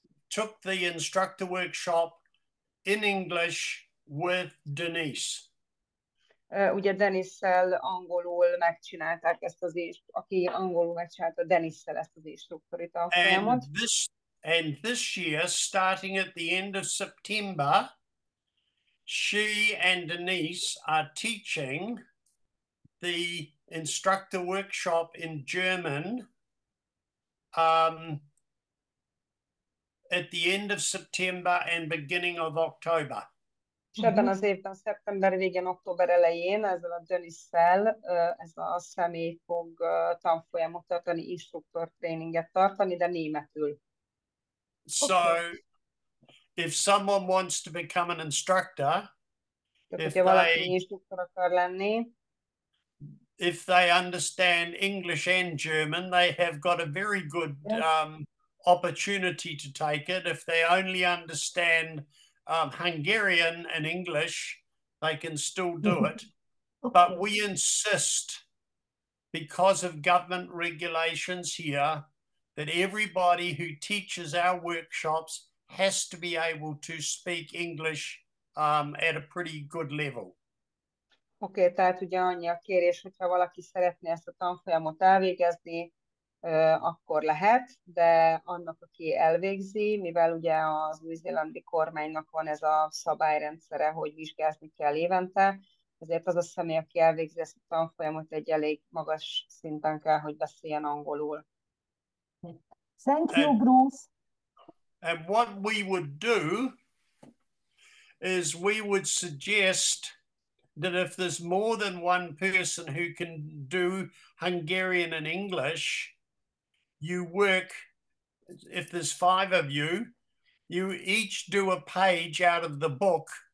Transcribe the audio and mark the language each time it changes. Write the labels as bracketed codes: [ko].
[en] Took the instructor workshop in English with Denise. [hu] Ugye Denisszel angolul megcsinálták ezt az aki angolul megcsinálta Denisszel ezt az instruktori tanfolyamot. [en] And this year, starting at the end of September, she and Denise are teaching the instructor workshop in German. At the end of September and beginning of October. [hu] És ebben az évben, szeptember végén, október elején ezzel a Dennis-szel ez a személy fog tanfolyamot tartani, instruktor tréninget tartani, de németül. [en] So, if someone wants to become an instructor, if they understand English and German, they have got a very good opportunity to take it. If they only understand Hungarian and English, they can still do it. Okay. But we insist, because of government regulations here, that everybody who teaches our workshops has to be able to speak English at a pretty good level. [hu] Oké, tehát ugye annyi a kérés, hogyha valaki szeretné ezt a tanfolyamot elvégezni, akkor lehet, de annak, aki elvégzi, mivel ugye az új-zélandi kormánynak van ez a szabályrendszere, hogy vizsgázni kell évente, ezért az a személy, aki elvégzi ezt a tanfolyamot, egy elég magas szinten kell, hogy beszéljen angolul. [en] Thank you, Bruce. And what we would do is we would suggest that if there's more than one person who can do Hungarian and English, you work, if there's five of you, you each do a page out of the book,